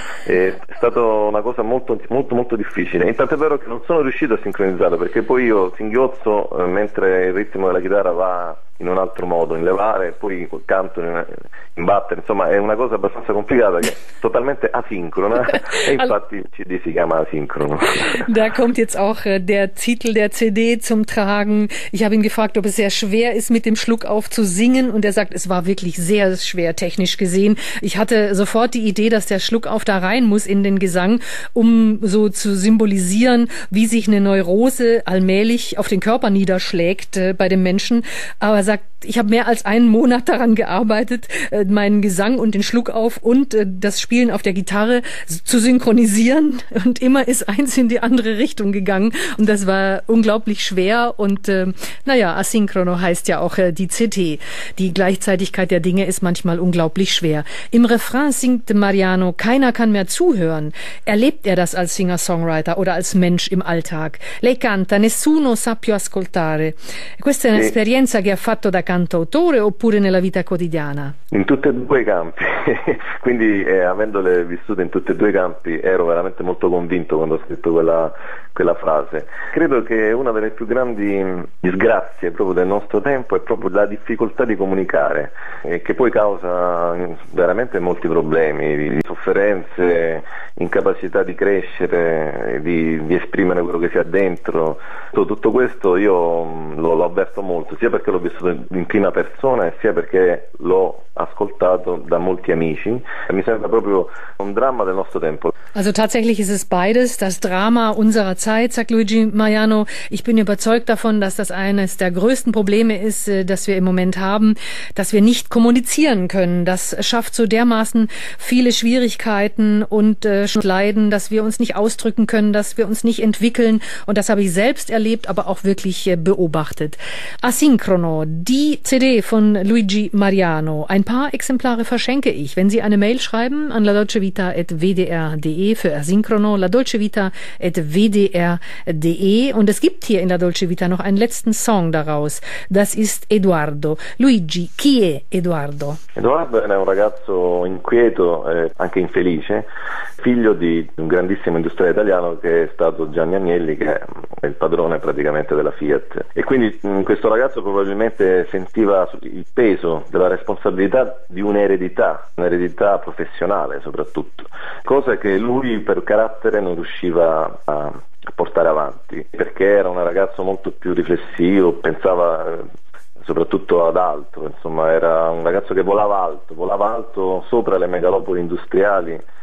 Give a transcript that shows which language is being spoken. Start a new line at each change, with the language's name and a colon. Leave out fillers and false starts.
Italian: È stata una cosa molto, molto, molto difficile. Intanto è vero che non sono riuscito a sincronizzare, perché poi io singhiozzo mentre il ritmo della chitarra va in un altro modo, in levare, poi canto in battere, insomma è una cosa abbastanza complicata che è totalmente asincrona e infatti il CD si chiama Asincrono.
German: Da kommt jetzt auch der Titel der CD zum Tragen. Ich habe ihn gefragt, ob es sehr schwer ist, mit dem Schluck auf zu singen. Und er sagt, es war wirklich sehr schwer, technisch gesehen. Ich hatte sofort die Idee, dass der Schluck auf da rein muss in den Gesang, um so zu symbolisieren, wie sich eine Neurose allmählich auf den Körper niederschlägt bei dem Menschen. Aber er sagt, ich habe mehr als einen Monat daran gearbeitet, meinen Gesang und den Schluck auf und das Spielen auf der Gitarre zu synchronisieren. Und immer ist eins in die andere Richtung gegangen. Und das war unglaublich schwer. Und naja, Asynchrono heißt ja auch die CT. Die Gleichzeitigkeit der Dinge ist manchmal unglaublich schwer. Im Refrain singt Mariano, keiner kann mehr zuhören. Erlebt er das als Singer-Songwriter oder als Mensch im Alltag?
Italian: Lei canta, nessuno sa più ascoltare. Questa è Sì. In un'esperienza che ha fatto da cantautore oppure nella vita quotidiana? tutti e due i campi, quindi avendole vissute in tutti e due i campi, ero veramente molto convinto quando ho scritto quella frase. Credo che una delle più grandi disgrazie proprio del nostro tempo è proprio la difficoltà di comunicare, che poi causa veramente molti problemi, di sofferenze, incapacità di crescere, di esprimere quello che si ha dentro. Tutto questo io l'ho avverto molto, sia perché l'ho vissuto in prima persona e sia perché l'ho ascoltato da molti amici. Mi sembra proprio un dramma del nostro tempo.
German: Also tatsächlich ist es beides, das Drama unserer Zeit, sagt Luigi Mariano. Ich bin überzeugt davon, dass das eines der größten Probleme ist, das wir im Moment haben, dass wir nicht kommunizieren können. Das schafft so dermaßen viele Schwierigkeiten und Leiden, dass wir uns nicht ausdrücken können, dass wir uns nicht entwickeln. Und das habe ich selbst erlebt, aber auch wirklich beobachtet. Asincrono, die CD von Luigi Mariano. Ein paar Exemplare verschenke ich, wenn Sie eine Mail schreiben an ladolcevita@wdr.de. Für Asynchrono, ladolcevita@wdr.de. Und es gibt hier in La Dolce Vita noch einen letzten Song daraus. Das ist Eduardo.
Italian: Luigi, chi è Eduardo? Edoardo era un ragazzo inquieto e anche infelice, figlio di un grandissimo industriale italiano che è stato Gianni Agnelli, che è il padrone praticamente della Fiat. E quindi questo ragazzo probabilmente sentiva il peso della responsabilità di un'eredità professionale soprattutto, cosa che lui per carattere non riusciva a portare avanti, perché era un ragazzo molto più riflessivo, pensava soprattutto ad altro, insomma era un ragazzo che volava alto sopra le megalopoli industriali.